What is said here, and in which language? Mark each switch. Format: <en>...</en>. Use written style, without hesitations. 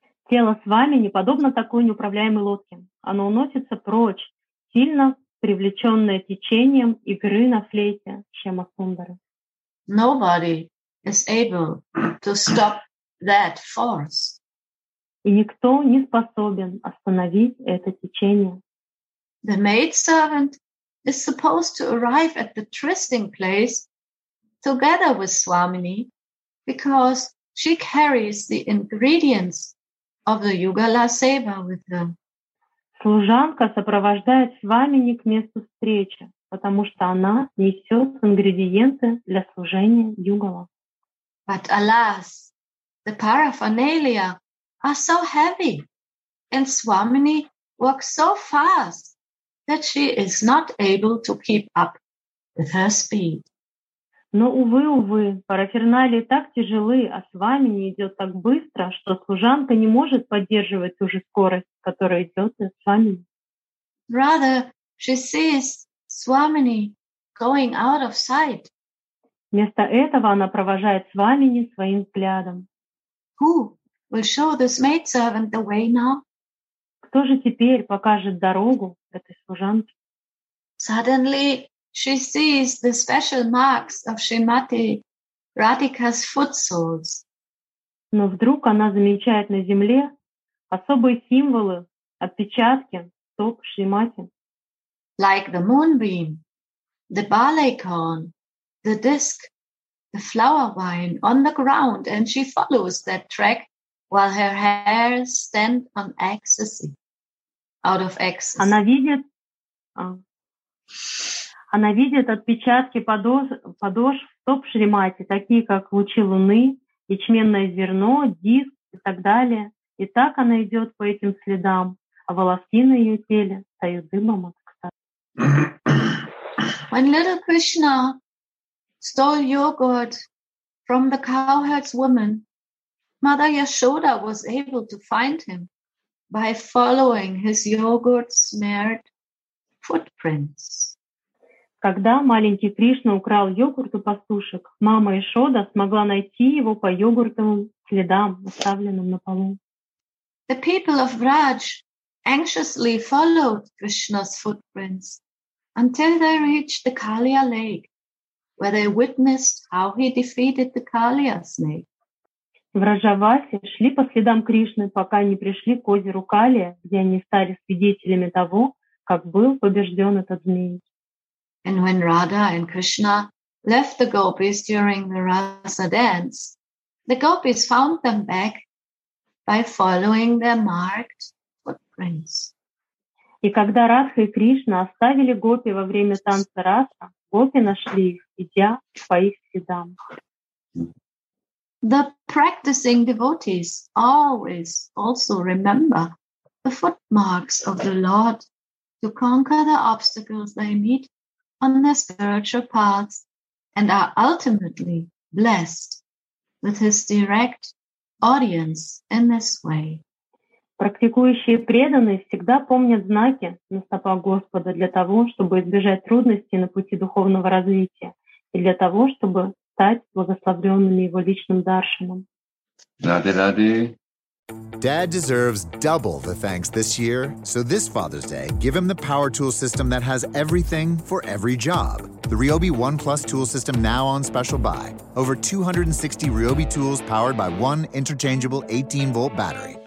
<ru>Тело Свамини подобно такой неуправляемой лодке. Оно уносится прочь, сильно привлеченное течением игры на флейте Шьяма Сундары.</ru> <en>Nobody is able to stop that force.</en> <ru>И никто не способен остановить это течение.</ru> <en>The maidservant is supposed to arrive at the trysting place together with Swamini because she carries the ingredients of the Yugala Seva with her.</en> <ru>Служанка сопровождает Свамини к месту встречи, потому что она несет ингредиенты для служения Югала.</ru> <en>But alas, the paraphernalia are so heavy, and Swamini walks so fast that she is not able to keep up with her speed.</en> <ru>Но, увы, увы, параферналии так тяжелы, а Свамини идет так быстро, что служанка не может поддерживать ту же скорость, которая идет и Свамини.</ru> <en>Rather, she sees Swamini going out of sight.</en> <ru>Вместо этого она провожает Свамини своим взглядом.</ru> <en>Who will show this maidservant the way now?</en> <ru>Кто же теперь покажет дорогу этой служанке?</ru> <en>Suddenly, she sees the special marks of Shrimati Radhika's footsoles.</en> <ru>Но вдруг она замечает на земле особые символы, отпечатки стоп Шримати.</ru> <en>Like the moonbeam, the barley corn, the disc, the flower vine on the ground, and she follows that track while her hair stand on ecstasy, out of ecstasy.</en> <ru>Она видит отпечатки подошв стоп Шримати, такие как лучи луны, ячменное зерно, диск и так далее. И так она идет по этим следам, а волоски на ее теле стоят дымом от кстати.</ru> <en>When little Krishna stole yogurt from the cowherd's woman, Mother Yashoda was able to find him by following his yogurt-smeared footprints.</en> <ru>Когда маленький Кришна украл йогурт у пастушек, мама Ишода смогла найти его по йогуртовым следам, оставленным на полу.</ru> <en>The people of Braj anxiously followed Krishna's footprints until they reached the Kalia lake, where they witnessed how he defeated the Kalia snake.</en> <ru>В Раджавасе шли по следам Кришны, пока не пришли к озеру Калия, где они стали свидетелями того, как был побежден этот змей.</ru> <en>And when Radha and Krishna left the gopis during the Rasa dance, the gopis found them back by following their marked footprints.</en> <ru>И когда Радха и Кришна оставили гопи во время танца Раса, гопи нашли их, идя по их следам.</ru> <en>The practicing devotees always also remember the footmarks of the Lord to conquer the obstacles they meet on their spiritual paths and are ultimately blessed with his direct audience in this way.</en> <ru>Практикующие преданные всегда помнят знаки на стопах Господа для того, чтобы избежать трудностей на пути духовного развития и для того, чтобы стать благословленными его личным даршаном. Ради, ради.</ru> <en>Dad deserves double the thanks this year, so this Father's Day, give him the power tool system that has everything for every job. The Ryobi One Plus tool system now on special buy. Over 260 Ryobi tools powered by one interchangeable 18-volt battery.</en>